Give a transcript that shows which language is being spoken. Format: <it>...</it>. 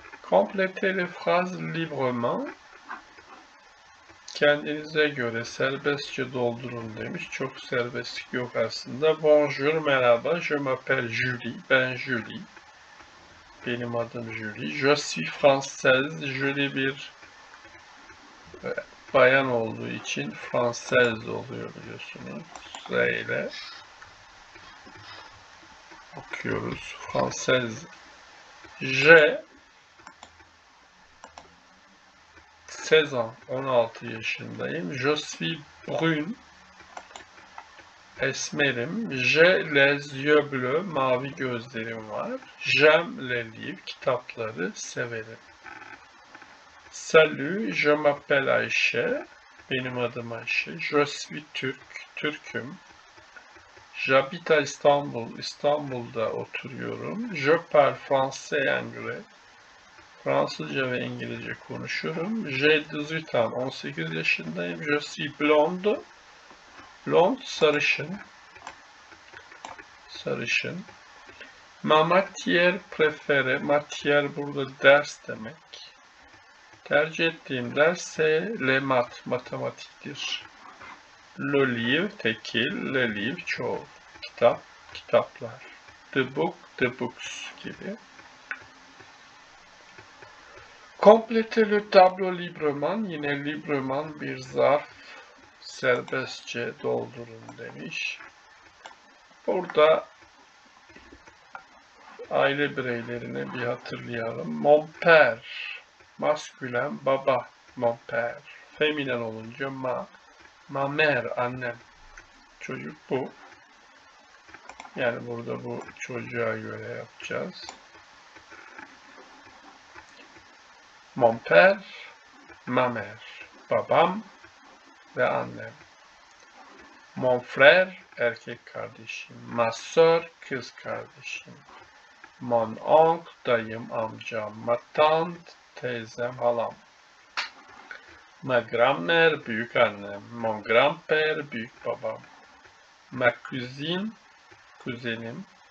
<fr>Complétez les phrases librement.</fr> <tr>Kendinize göre serbestçe doldurun demiş. Çok serbestlik yok aslında.</tr> <fr>Bonjour, merhaba. Je m'appelle Julie.</fr> <tr>Ben Julie. Benim adım Julie.</tr> <fr>Je suis française.</fr> <tr>Julie bir bayan olduğu için Fransız oluyor biliyorsunuz. Z ile okuyoruz. Fransız.</tr> <fr>J 16 ans,</fr> <tr>16 yaşındayım.</tr> <fr>Je suis brune.</fr> <tr>Esmerim.</tr> <fr>J'ai les yeux bleus.</fr> <tr>Mavi gözlerim var.</tr> <fr>J'aime les livres.</fr> <tr>Kitapları severim.</tr> <fr>Salut, je m'appelle Ayşe.</fr> <tr>Benim adım Ayşe.</tr> <fr>Je suis Türk.</fr> <tr>Türküm.</tr> <fr>J'habite à Istanbul.</fr> <tr>İstanbul'da oturuyorum.</tr> <fr>Je parle français et anglais.</fr> <tr>Fransızca ve İngilizce konuşurum.</tr> <fr>J'ai 18 ans,</fr> <tr>18 yaşındayım.</tr> <fr>Je suis blonde.</fr> <tr>Blond, sarışın. Sarışın.</tr> <fr>Ma matière préférée. Matière</fr> <tr>burada ders demek. Tercih ettiğim ders ise le mat, matematiktir.</tr> <fr>Le livre,</fr> <tr>tekil. Le livre, çoğul. Kitap, kitaplar.</tr> <en>The book, the books</en> <tr>gibi.</tr> <fr>Complétez le tableau librement.</fr> <tr>Yine librement bir zarf. Serbestçe doldurun demiş. Burada aile bireylerini bir hatırlayalım.</tr> <fr>Mon père.</fr> <tr>Maskülen baba.</tr> <fr>Mon père.</fr> <tr>Feminen olunca ma.</tr> <fr>Ma mère,</fr> <tr>annem. Çocuk bu. Yani burada bu çocuğa göre yapacağız.</tr> <fr>Mon père, ma mère,</fr> <tr>babam ve annem.</tr> <fr>Mon frère,</fr> <tr>erkek kardeşim.</tr> <fr>Ma soeur,</fr> <tr>kız kardeşim.</tr> <fr>Mon oncle,</fr> <tr>dayım, amcam.</tr> <fr>Ma tante,</fr> <tr>teyzem, halam.</tr> <fr>Ma grand-mère,</fr> <tr>büyük annem.</tr> <fr>Mon grand-père,</fr> <tr>büyük babam.</tr> <fr>Ma cousine,</fr> <tr>kuzenim.</tr>